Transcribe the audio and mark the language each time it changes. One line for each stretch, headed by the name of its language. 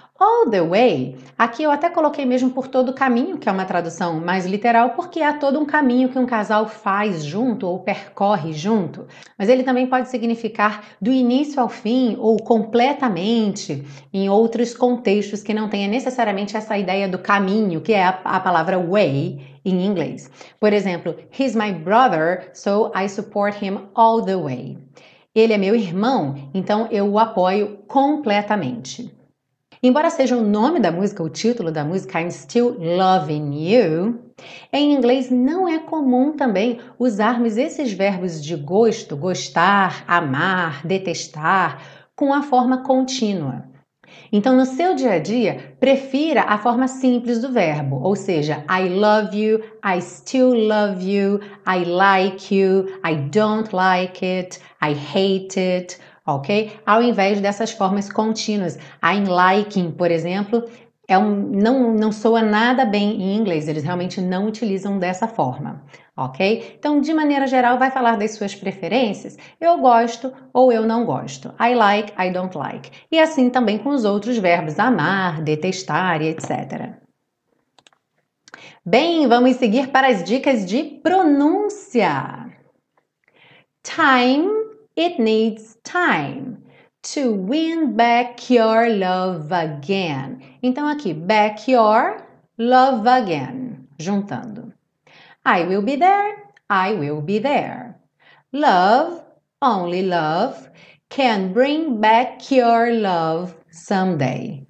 English: All the way,
Portuguese: aqui eu até coloquei mesmo por todo o caminho, que é uma tradução mais literal, porque há todo um caminho que um casal faz junto ou percorre junto. Mas ele também pode significar do início ao fim ou completamente em outros contextos que não tenha necessariamente essa ideia do caminho, que é a palavra way em inglês. Por exemplo,
English: he's my brother, so I support him all the way.
Portuguese: Ele é meu irmão, então eu o apoio completamente. Embora seja o nome da música, o título da música, I'm Still Loving You, em inglês não é comum também usarmos esses verbos de gosto, gostar, amar, detestar, com a forma contínua. Então, no seu dia a dia, prefira a forma simples do verbo, ou seja,
English: I love you, I still love you, I like you, I don't like it, I hate it.
Portuguese: Ok? Ao invés dessas formas contínuas.
English: I'm liking,
Portuguese: por exemplo, não soa nada bem em inglês. Eles realmente não utilizam dessa forma. Ok? Então, de maneira geral, vai falar das suas preferências. Eu gosto ou eu não gosto.
English: I like, I don't like.
Portuguese: E assim também com os outros verbos. Amar, detestar e etc. Bem, vamos seguir para as dicas de pronúncia.
English: Time. It needs time to win back your love again.
Portuguese: Então aqui,
English: back your love again,
Portuguese: juntando.
English: I will be there, I will be there. Love, only love, can bring back your love someday.